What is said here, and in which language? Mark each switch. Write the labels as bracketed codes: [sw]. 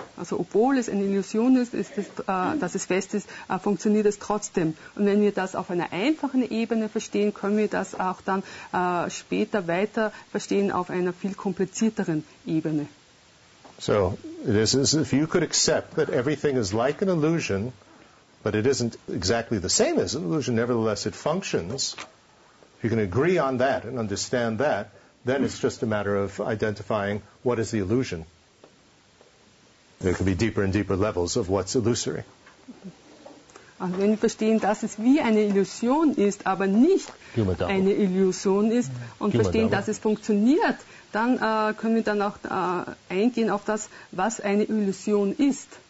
[de] Also obwohl es eine Illusion ist, ist es, dass es fest ist, funktioniert es trotzdem. Und wenn wir das auf einer einfachen Ebene verstehen, können wir das auch dann später weiter verstehen auf einer viel komplizierteren Ebene. [en] So, this is, if you could accept that everything is like an illusion, but it isn't exactly the same as an illusion, nevertheless it functions, if you can agree on that and understand that, then it's just a matter of identifying what is the illusion. There can be deeper and deeper levels of what's illusory. [de] Also wenn wir verstehen, dass es wie eine Illusion ist, aber nicht eine Illusion ist, und verstehen, dass es funktioniert, dann können wir dann auch eingehen auf das, was eine Illusion ist.